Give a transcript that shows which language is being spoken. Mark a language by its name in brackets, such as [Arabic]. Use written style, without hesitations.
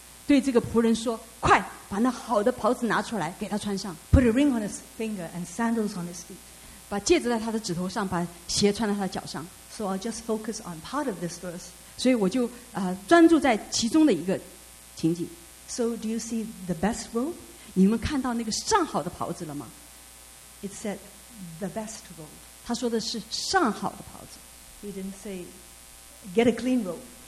[Chinese] 对这个仆人说, 快, 把那好的袍子拿出来, 给他穿上, [English] put a ring on his finger and sandals on his feet. [Chinese] 把戒指在他的指头上, 把鞋穿在他的脚上。 [English] So I'll just focus on part of this verse. [Chinese] 所以我就, 专注在其中的一个情景。 [English] So do you see the best robe? [Chinese] 你们看到那个上好的袍子了吗? [English] It said the best robe. [Chinese] 他说的是上好的袍子。 [English] He didn't say get a clean robe.